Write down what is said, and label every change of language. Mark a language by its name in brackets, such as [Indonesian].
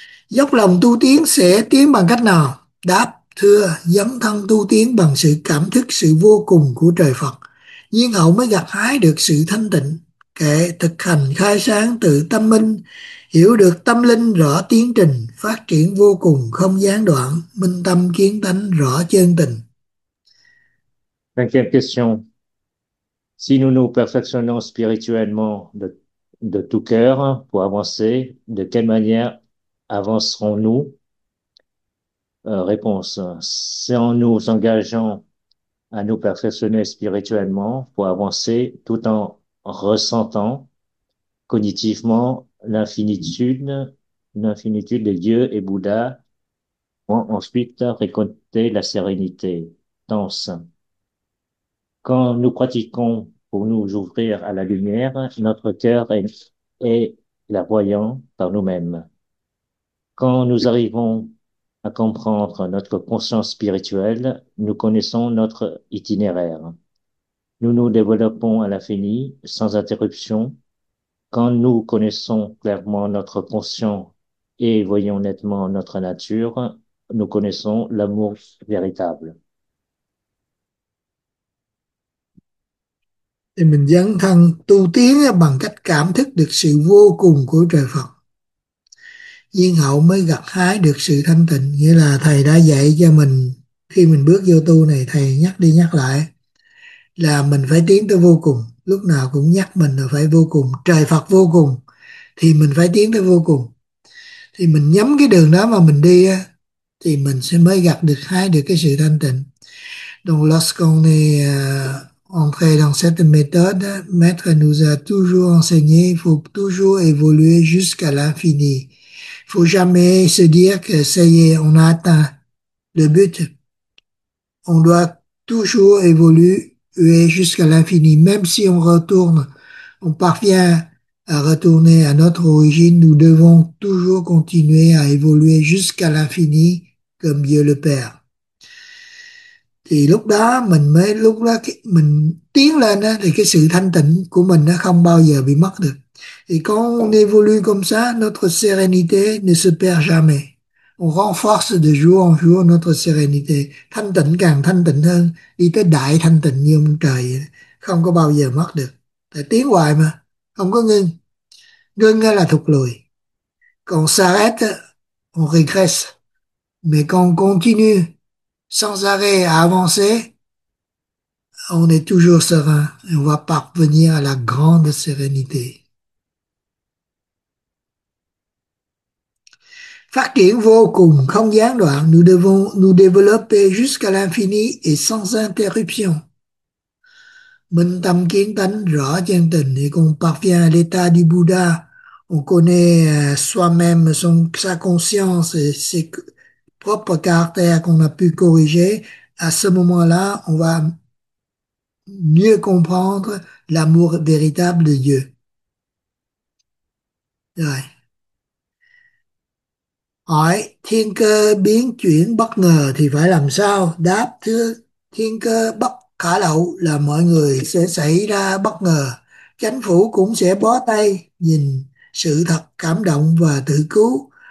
[Vietnamese] Dốc lòng tu tiến sẽ tiến bằng cách nào? Đáp, thưa, dấn thân tu tiến bằng sự cảm thức sự vô cùng của trời Phật. Nhiên hậu mới gặt hái được sự thanh tịnh, kệ thực hành khai sáng tự tâm minh, hiểu được tâm linh rõ tiến trình, phát triển vô cùng không gián đoạn, minh tâm kiến tánh rõ chân tình. [French] Cinquième question. Si nous nous perfectionnons spirituellement de tout cœur pour avancer, de quelle manière avancerons-nous? Réponse. Si en nous engageant à nous perfectionner spirituellement pour avancer tout en ressentant cognitivement l'infinitude de Dieu et Bouddha, pour ensuite récolter la sérénité. Tense. Quand nous pratiquons pour nous ouvrir à la lumière, notre cœur est clairvoyant par nous-mêmes. Quand nous arrivons à comprendre notre conscience spirituelle, nous connaissons notre itinéraire. Nous nous développons à l'infini, sans interruption. Quand nous connaissons clairement notre conscience et voyons nettement notre nature, nous connaissons l'amour véritable. [Vietnamese] Thì mình dấn thân tu tiến bằng cách cảm thức được sự vô cùng của trời Phật. Nhiên hậu mới gặt hái được sự thanh tịnh, nghĩa là thầy đã dạy cho mình khi mình bước vô tu này, thầy nhắc đi nhắc lại là mình phải tiến tới vô cùng, lúc nào cũng nhắc mình là phải vô cùng, trời Phật vô cùng thì mình phải tiến tới vô cùng. Thì mình nhắm cái đường đó mà mình đi thì mình sẽ mới gặt được hái được cái sự thanh tịnh. [French] Donc lorsqu'on est entrer dans cette méthode, Maître nous a toujours enseigné, il faut toujours évoluer jusqu'à l'infini. Il faut jamais se dire que ça y est, on a atteint le but. On doit toujours évoluer jusqu'à l'infini. Même si on parvient à retourner à notre origine, nous devons toujours continuer à évoluer jusqu'à l'infini comme Dieu le Père. [Vietnamese] thì lúc đó mình mới lúc đó mình tiến lên đó, thì cái sự thanh tịnh của mình nó không bao giờ bị mất được. [French] Et quand on évolue comme ça, notre sérénité ne se perd jamais. On renforce de jour en jour notre sérénité. [Vietnamese] Thanh tịnh càng thanh tịnh hơn, đi tới đại thanh tịnh như ông trời, không có bao giờ mất được. Tại tiến hoài mà, không có ngưng. Ngưng là thụt lùi. [French] Còn s'arrête, on régresse. Mais quand on continue, sans arrêt à avancer, on est toujours serein. Et on va parvenir à la grande sérénité. [Vietnamese] Phát triển vô cùng, không gián đoạn, [French] nous devons nous développer jusqu'à l'infini et sans interruption. [Vietnamese] Minh tâm kiến tánh rõ chân tình thì cũng [French] parvient à l'état du Bouddha. On connaît soi-même son sa conscience et ses propres caractères qu'on a pu corriger. À ce moment-là, on va mieux comprendre l'amour véritable de Dieu. [Vietnamese] Rồi. Hỏi thiên cơ biến chuyển bất ngờ thì phải làm sao? Đáp thứ thiên cơ bất khả lậu là mọi người sẽ xảy ra bất ngờ. Chánh phủ cũng sẽ bó tay nhìn sự thật cảm động và tự cứu.